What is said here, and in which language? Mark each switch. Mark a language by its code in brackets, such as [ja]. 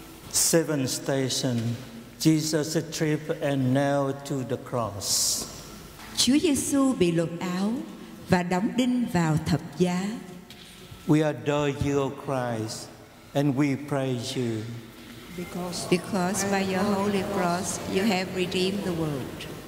[en] Seventh station, Jesus' trip and nailed to the cross. [vi] Chúa Giêsu bị lột áo và đóng đinh vào thập giá. [en] We adore you, O Christ, and we praise you. Because by your holy cross you have redeemed the world.